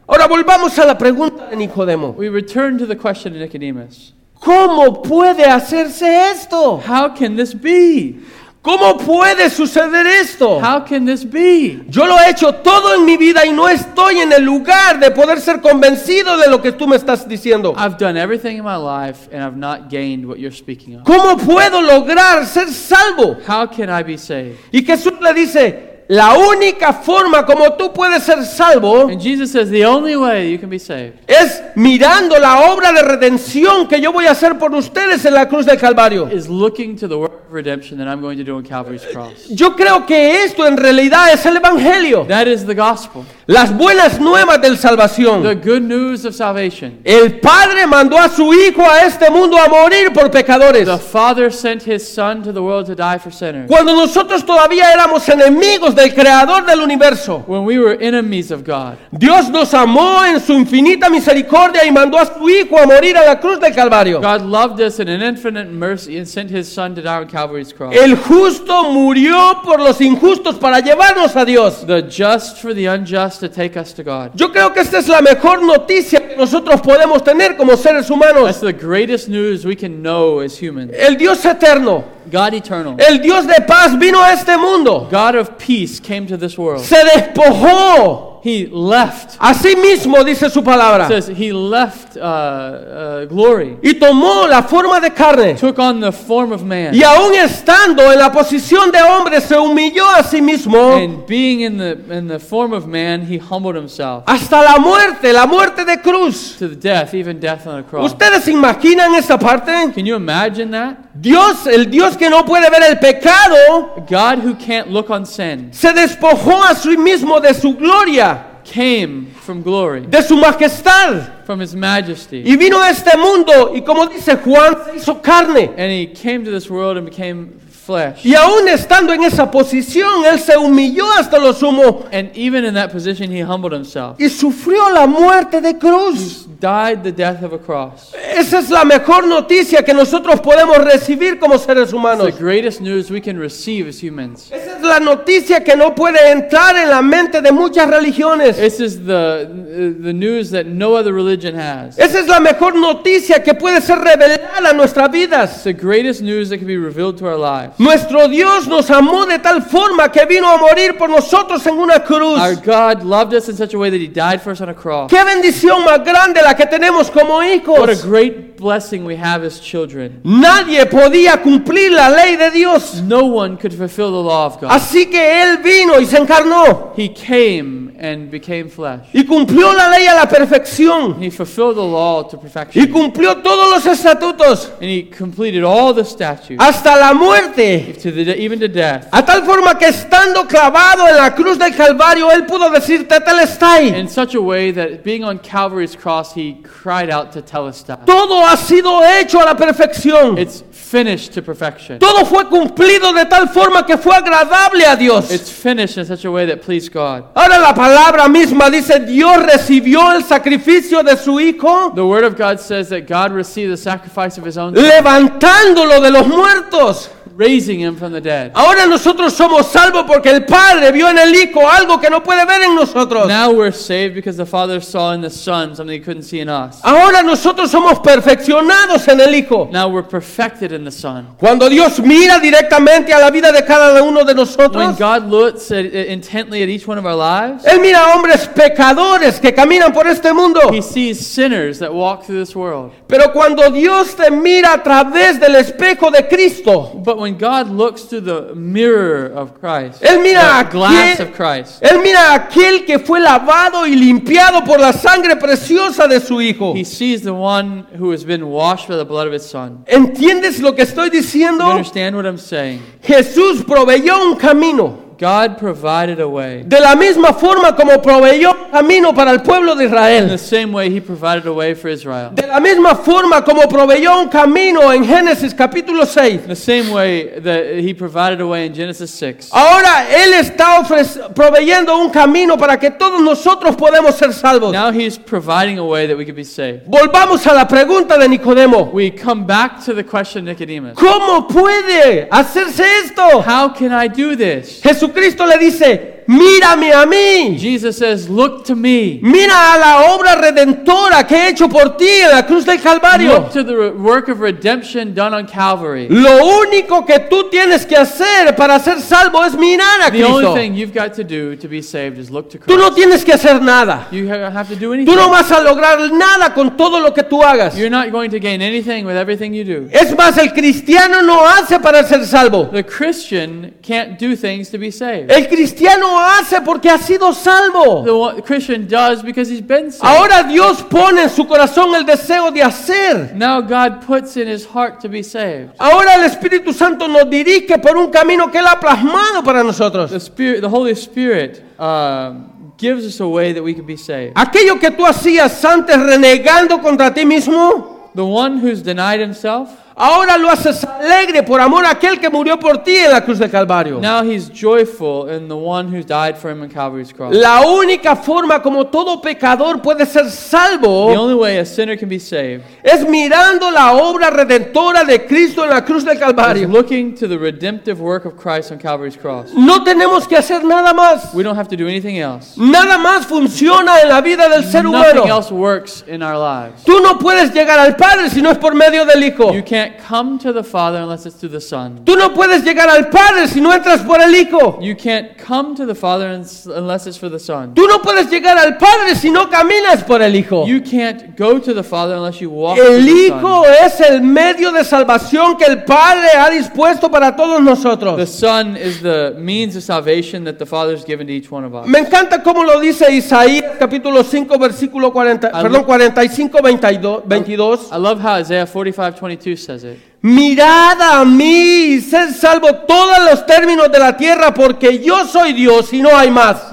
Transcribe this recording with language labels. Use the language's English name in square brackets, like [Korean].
[Spanish] Ahora volvamos a la pregunta de Nicodemo. [English] We return to the question of Nicodemus. [Spanish] ¿Cómo puede hacerse esto? [English] How can this be? [Spanish] ¿Cómo puede suceder esto? [English] How can this be? [Spanish] Yo lo he hecho todo en mi vida y no estoy en el lugar de poder ser convencido de lo que tú me estás diciendo. [English] I've done everything in my life and I've not gained what you're speaking of. [Spanish] ¿Cómo puedo lograr ser salvo? [English] How can I be saved? [Spanish] Y Jesús le dice, la única forma como tú puedes ser salvo, [English] and Jesus says, the only way you can be saved, [Spanish] es mirando la obra de redención que yo voy a hacer por ustedes en la cruz del Calvario. [English] Is looking to the work of redemption that I'm going to do on Calvary's cross. [Spanish] Yo creo que esto en realidad es el evangelio. [English] That is the gospel. [Spanish] Las buenas nuevas de salvación. [English] The good news of salvation. [Spanish] El Padre mandó a su Hijo a este mundo a morir por pecadores. [English] The Father sent His Son to the world to die for sinners. [Spanish] Cuando nosotros todavía éramos enemigos del Creador del universo. [English] When we were enemies of God. [Spanish] Dios nos amó en su infinita misericordia y mandó a su Hijo a morir a la cruz del Calvario. [English] God loved us in an infinite mercy and sent His Son to die on Calvary's cross. [Spanish] El justo murió por los injustos para llevarnos a Dios. [English] The just for the unjust. To take us to God. [Spanish] Yo creo que esta es la mejor noticia que nosotros podemos tener como seres humanos. [English] That's the greatest news we can know as humans. [Spanish] El Dios eterno, [English] God eternal. [Spanish] El Dios de paz vino a este mundo. [English] God of peace came to this world. [Spanish] Se despojó. [English] He left. [Spanish] Así mismo dice su palabra. [English] It says he left glory. [Spanish] Y tomó la forma de carne. [English] Took on the form of man. [Spanish] Y aún estando en la posición de hombre, se humilló a sí mismo. [English] And being in the form of man, he humbled himself. [Spanish] Hasta la muerte de cruz. [English] To the death, even death on the cross. [Spanish] ¿Ustedes se imaginan esa parte? [English] Can you imagine that? [Spanish] Dios, el Dios que no puede ver el pecado, [English] God who can't look on sin, [Spanish] se despojó a sí mismo de su gloria, [English] came from glory, [Spanish] de su majestad, [English] from his majesty, [Spanish] y vino a este mundo y como dice Juan, se hizo carne. [English] And he came to this world and became flesh. [Spanish] Y aún estando en esa posición, él se humilló hasta lo sumo. [English] And even in that position, he humbled himself. [Spanish] Y sufrió la muerte de cruz. [English] He's died the death of a cross. [Spanish] Esa es la mejor noticia que nosotros podemos recibir como seres humanos. [English] It's the greatest news we can receive as humans. [Spanish] Esa es la noticia que no puede entrar en la mente de muchas religiones. [English] This is the news that no other religion has. [Spanish] Esa es la mejor noticia que puede ser revelada a nuestras vidas. [English] It's the greatest news that can be revealed to our lives. [Spanish] Nuestro Dios nos amó de tal forma que vino a morir por nosotros en una cruz. [English] Our God loved us in such a way that he died for us on a cross. [Spanish] ¡Qué bendición más grande la que tenemos como hijos! [English] What a great blessing we have as children. [Spanish] Nadie podía cumplir la ley de Dios. [English] No one could fulfill the law of God. [Spanish] Así que él vino y se encarnó. [English] He came and became flesh. [Spanish] Y cumplió la ley a la perfección. [English] He fulfilled the law to perfection. [Spanish] Y cumplió todos los estatutos. [English] And he completed all the statutes. [Spanish] Hasta la muerte. [English] Even to death. [Spanish] A tal forma que estando clavado en la cruz del Calvario, él pudo decir Tetelestai. [English] In such a way that being on Calvary's cross, he cried out to Tetelestai. [Spanish] Todo ha sido hecho a la perfección. [English] It's finished to perfection. [Spanish] Todo fue cumplido de tal forma que fue agradable a Dios. [English] It's finished in such a way that pleased God. [Spanish] Ahora la palabra misma dice Dios recibió el sacrificio de su hijo. [English] The word of God says that God received the sacrifice of his own. [Spanish] Levantándolo de los muertos. [English] Raising him from the dead. [Spanish] Ahora nosotros somos salvos porque el Padre vio en el Hijo algo que no puede ver en nosotros. [English] Now we're saved because the Father saw in the Son something he couldn't see in us. [Spanish] Ahora nosotros somos perfeccionados en el Hijo. [English] Now we're perfected in the Son. [Spanish] Cuando Dios mira directamente a la vida de cada uno de nosotros, [English] when God looks intently at each one of our lives, [Spanish] él mira a hombres pecadores que caminan por este mundo. [English] He sees sinners that walk through this world. [Spanish] Pero cuando Dios te mira a través del espejo de Cristo, [English] but when God looks through the mirror of Christ, [Spanish] él mira [English] the glass of Christ, [Spanish] él mira aquel que fue lavado y limpiado por la sangre preciosa de su hijo. [English] He sees the one who has been washed by the blood of his son. [Spanish] ¿Entiendes lo que estoy diciendo? [English] You understand what I'm saying? [Spanish] Jesús proveyó un camino. [English] God provided a way. [Spanish] De la misma forma como proveyó camino para el pueblo de Israel. [English] In the same way he provided a way for Israel. [Spanish] De la misma forma como proveyó un camino en Génesis capítulo 6. [English] In the same way that he provided a way in Genesis 6. [Spanish] Ahora él está proveyendo un camino para que todos nosotros podamos ser salvos. [English] Now he's providing a way that we could be saved. [Spanish] Volvamos a la pregunta de Nicodemo. [English] We come back to the question of Nicodemus. [Spanish] ¿Cómo puede hacerse esto? [English] How can I do this? [Spanish] Jesucristo le dice, mírame a mí. [English] Jesus says, look to me. [Spanish] Mira a la obra redentora que he hecho por ti en la cruz del Calvario. [English] Look to the work of redemption done on Calvary. [Spanish] Lo único que tú tienes que hacer para ser salvo es mirar a Cristo. [English] The only thing you've got to do to be saved is look to Christ. [Spanish] Tú no tienes que hacer nada. [English] You don't have to do anything. [Spanish] Tú no vas a lograr nada con todo lo que tú hagas. [English] You're not going to gain anything with everything you do. [Spanish] Es más, el cristiano no hace para ser salvo. [English] The Christian can't do things to be saved. [Spanish] El cristiano hace porque ha sido salvo. [English] The Christian does because he's been saved. [Spanish] Ahora Dios pone en su corazón el deseo de hacer. [English] Now God puts in his heart to be saved. [Spanish] Ahora el Espíritu Santo nos dirige por un camino que él ha plasmado para nosotros. [English] The Holy Spirit gives us a way that we can be saved. [Spanish] Aquello que tú hacías antes renegando contra ti mismo. [English] The one who's denied himself. [Spanish] Ahora lo haces alegre por amor a aquel que murió por ti en la cruz de Calvario. [English] Now he's joyful in the one who died for him on Calvary's cross. [Spanish] La única forma como todo pecador puede ser salvo. [English] The only way a sinner can be saved. [Spanish] Es mirando la obra redentora de Cristo en la cruz del Calvario. [English] Is looking to the redemptive work of Christ on Calvary's cross. [Spanish] No tenemos que hacer nada más. [English] We don't have to do anything else. [Spanish] Nada más funciona en la vida del ser humano. [English] Nothing else works in our lives. [Spanish] Tú no puedes llegar al Padre si no es por medio del Hijo. [English] You can't come to the Father unless it's through the Son. [Spanish] Tú no puedes llegar al Padre si no entras por el Hijo. [English] You can't come to the Father unless it's for the Son. [Spanish] Tú no puedes llegar al Padre si no caminas por el Hijo. [English] You can't go to the Father unless you walk. [Spanish] El Hijo es el medio de salvación que el Padre ha dispuesto para todos nosotros. [English] The Son is the means of salvation that the Father has given to each one of us. [Spanish] Me encanta cómo lo dice Isaías capítulo 5 versículo 45 22. [English] I love how Isaiah 45:22 says. Says it. [Spanish] Mirad a mí y sed salvo todos los términos de la tierra porque yo soy Dios y no hay más.